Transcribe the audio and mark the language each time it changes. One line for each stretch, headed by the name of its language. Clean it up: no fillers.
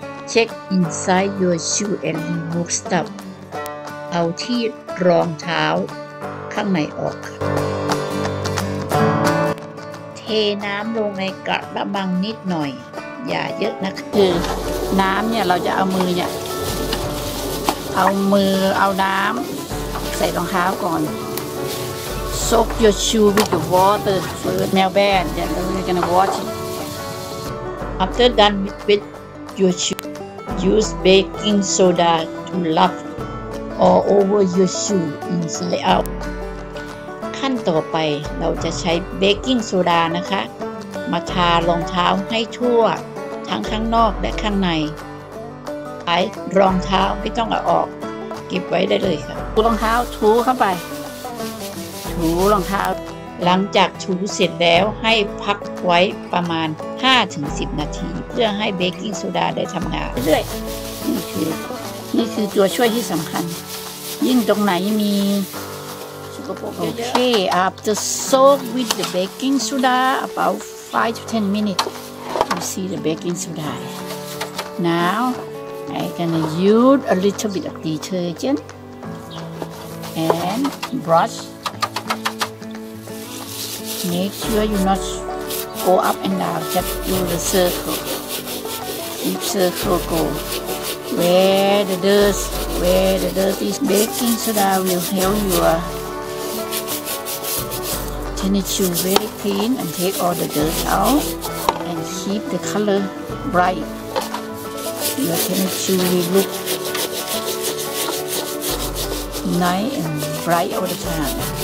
English: Check inside your shoe and remove stuff.
Thai: เอาที่รองเท้าข้างในออกเทน้ำลงในกระมังนิดหน่อยอย่าเยอะนะคือน้ำเนี่ยเราจะเอามือเนี่ยเอามือเอาน้ำใส่รองเท้าก่อน
English: Soak your shoe with the water first. Melbourne, then we're gonna wash it. After done with your shoe, use baking soda to rub all over your shoe inside out.
Thai: ขั้นต่อไปเราจะใช้เบกกิ้งโซดานะคะมาทารองเท้าให้ทั่วทั้งข้างนอกและข้างในใช้รองเท้าไม่ต้องเอาออกเก็บไว้ได้เลยค่ะถูรองเท้าถูเข้าไป ถูรองเท้าหลังจากถูเสร็จแล้วให้พักไว้ประมาณ 5-10 นาทีเพื่อให้เบกกิ้งโซดาได้ทำงานเรื่อยๆนี่คือตัวช่วยที่สำคัญยิ่งตรงไหนมี
English: โอเค after soak with the baking soda about 5-10 minutes you see the baking soda now I'm gonna use a little bit of detergent and brushMake sure you not go up and down, just do the circle. Keep circle go. Where the dirt is baking soda will help your tennis shoe very clean and take all the dirt out and keep the color bright. Your tennis shoe will look nice and bright all the time.